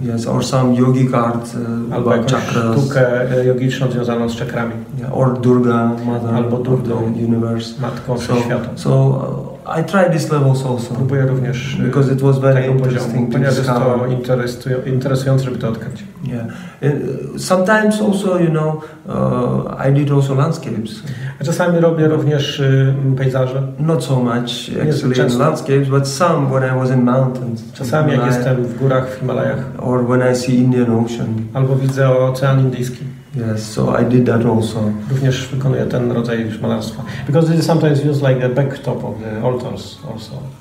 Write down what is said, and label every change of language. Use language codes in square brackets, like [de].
[en] Yes, or some yogic art about chakras. [pl] Albo sztukę jogiczną związaną z czakrami. [en] Yeah, or Durga, Mother of the Universe. [pl] Matką Wszechświata. [en] So I tried these levels also. [pl] Próbuję również, [en] because it was very interesting to discover. [pl] To interesujące, żeby to odkryć. [en] Yeah. Sometimes also, you know, I did also landscapes. [pl] A czasami robię również pejzaże. [en] Not so much actually in landscapes, but some when I was in mountains. [pl] Czasami jak jestem w górach, w Himalajach. [en] Or when I see Indian Ocean. [pl] Albo widzę Ocean Indyjski. [en] Yes, so I did that also. [pl] Również wykonuję ten rodzaj malarstwa. [en] Because it is sometimes used like the backdrop of the altars also.